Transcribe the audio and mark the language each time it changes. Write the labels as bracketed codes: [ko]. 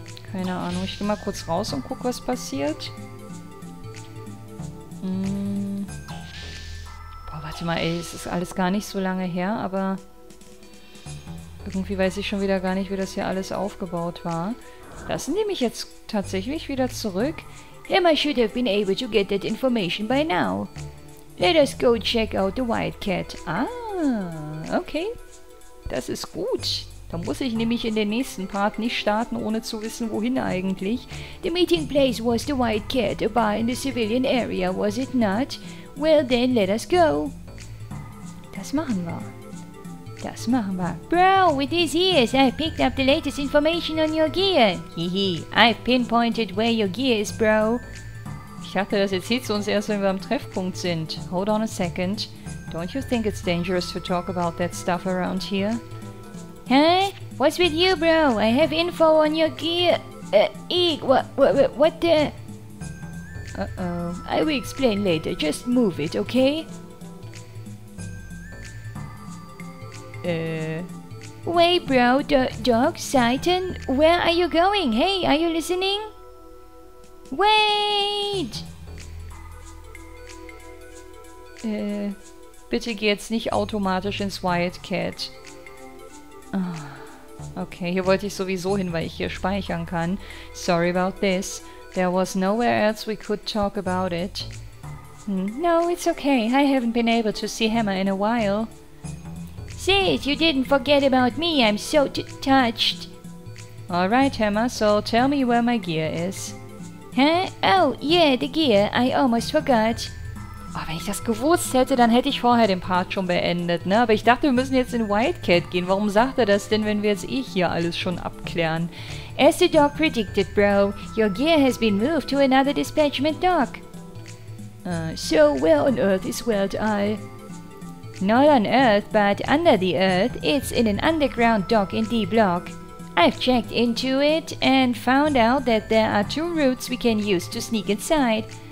[de] Keine Ahnung, ich gehe mal kurz raus und gucke, was passiert. Boah, warte mal, ey, es ist alles gar nicht so lange her, aber... irgendwie weiß ich schon wieder gar nicht, wie das hier alles aufgebaut war. Lassen die mich jetzt tatsächlich wieder zurück? [en] Him, I should have been able to get that information by now. Let us go check out the Wildcat. [de] Ah, okay. Das ist gut. Da muss ich nämlich in den nächsten Part nicht starten, ohne zu wissen, wohin eigentlich. [en] The meeting place was the Wildcat, a bar in the civilian area, was it not? Well then, let us go. [de] Das machen wir. Das machen wir. [en] Bro, with these ears, I picked up the latest information on your gear. Hehe, I've pinpointed where your gear is, bro. [de] Ich dachte, das erzählt sie uns erst, wenn wir am Treffpunkt sind. [en] Hold on a second. Don't you think it's dangerous to talk about that stuff around here? Huh? What's with you, bro? I have info on your gear. What the? Uh-oh. I will explain later. Just move it, okay? Wait, bro. Dog? Satan? Where are you going? Hey, are you listening? Wait! [de] Bitte geh jetzt nicht automatisch ins Wildcat. Okay, hier wollte ich sowieso hin, weil ich hier speichern kann. [en] Sorry about this. There was nowhere else we could talk about it. No, it's okay. I haven't been able to see Hammer in a while. Sis, you didn't forget about me. I'm so touched. Alright, Hammer, so tell me where my gear is. Huh? Oh, yeah, the gear. I almost forgot. [de] Oh, wenn ich das gewusst hätte, dann hätte ich vorher den Part schon beendet, ne? Aber ich dachte, wir müssen jetzt in Wildcat gehen. Warum sagt er das denn, wenn wir jetzt eh hier alles schon abklären? [en] As the dog predicted, bro, your gear has been moved to another dispatchment dock. So where on earth is Wild Eye? Not on earth, but under the earth. It's in an underground dock in D-Block. I've checked into it and found out that there are two routes we can use to sneak inside.